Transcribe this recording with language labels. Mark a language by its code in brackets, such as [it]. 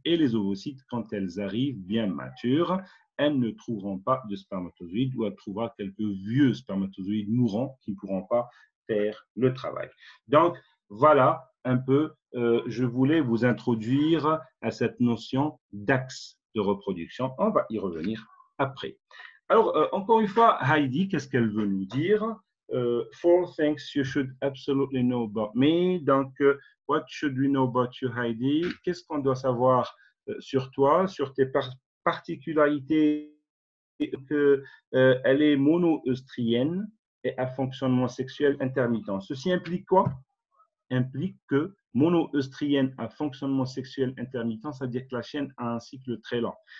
[fr] Et les ovocytes, quand elles arrivent bien matures, elles ne trouveront pas de spermatozoïdes, ou elles trouveront quelques vieux spermatozoïdes mourants qui ne pourront pas faire le travail. Donc, voilà un peu, je voulais vous introduire à cette notion d'axe de reproduction. On va y revenir après. Alors, encore une fois, Heidi, qu'est-ce qu'elle veut nous dire? [en] 4 things you should absolutely know about me. Donc, what should we know about you, Heidi? [fr] Qu'est-ce qu'on doit savoir sur toi, sur tes particularité, elle est mono-œstrienne et à fonctionnement sexuel intermittent. Ceci implique quoi? Implique que mono-œstrienne à fonctionnement sexuel intermittent, c'est-à-dire que la chaîne a un cycle très lent.